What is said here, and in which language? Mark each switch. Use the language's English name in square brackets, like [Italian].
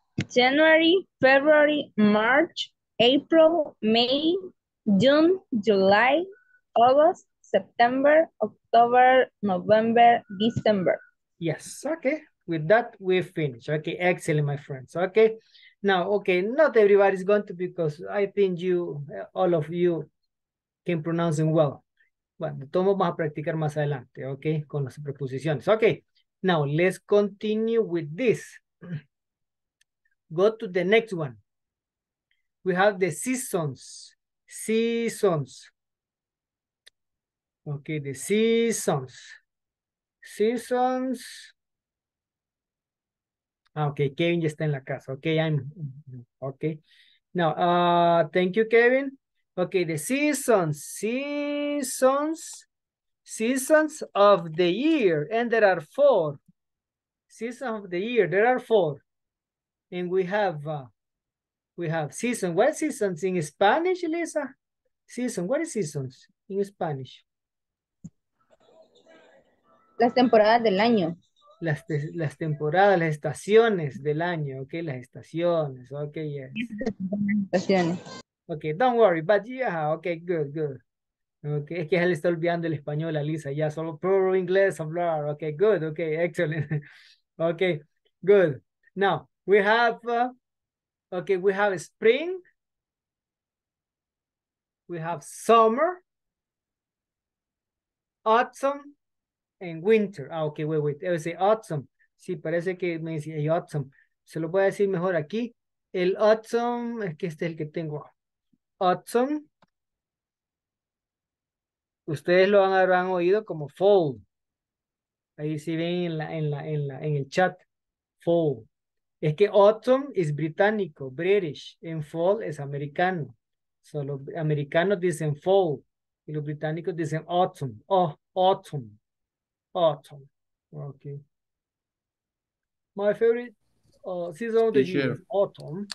[English] January, February, March, April, May, June, July, August, September, October, November, December. Yes, okay. With that, we finish. Okay, excellent, my friends. Okay, now, okay, not everybody's going to, because I think you, all of you, can pronounce them well. [Spanish] Bueno, de todo vamos a practicar más adelante, ¿ok? Con las preposiciones. [English] Ok, now let's continue with this. Go to the next one. We have the seasons. Seasons. Ok, the seasons. Seasons. [Spanish] Ah, ok, Kevin ya está en la casa. [English] Ok, I'm... Ok. Now, thank you, Kevin. Okay, the seasons of the year, and there are four seasons of the year. There are four, and we have season. What is seasons in Spanish, Lisa? Season. What is seasons in Spanish? [Spanish] Las temporadas del año. Las temporadas, las estaciones del año. [English] Okay, [Spanish] las estaciones. [English] Okay, yes. [Spanish] Estaciones. [English] Okay, don't worry, but yeah, okay, good, good. [Spanish] Okay, es que ya le está olvidando el español a Lisa, ya solo puro inglés hablar. [English] Okay, good, okay, excellent. Okay, good. Now, we have, okay, we have spring. We have summer. Autumn and winter. Ah, okay, wait, [Spanish] debe ser [English] autumn. [Spanish] Sí, parece que me dice autumn. Se lo voy a decir mejor aquí. El autumn, es que este es el que tengo. Autumn, ustedes lo han oído como fall. Ahí sí ven en el chat, fall. Es que autumn es británico, British, en fall es americano. So los americanos dicen fall y los británicos dicen autumn. [English] Oh, autumn, autumn. Okay. My favorite season of the year is autumn.